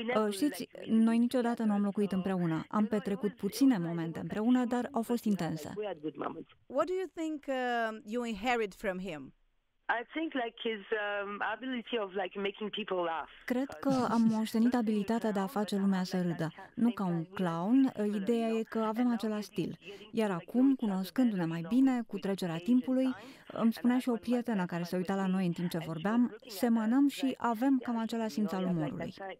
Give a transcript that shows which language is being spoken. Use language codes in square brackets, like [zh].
[ro] Știți, noi niciodată nu am locuit împreună. Am petrecut puține momente împreună, dar au fost intense. [en] What do you think you inherit from him? I think like his ability of like making people laugh. [ro] Cred că am moștenit abilitatea de a face lumea să râdă. Nu ca un clown, ideea e că avem același stil. Iar acum, cunoscându-ne mai bine, cu trecerea timpului, îmi spunea și o prietenă care se uita la noi în timp ce vorbeam, semănăm și avem cam același simț al umorului.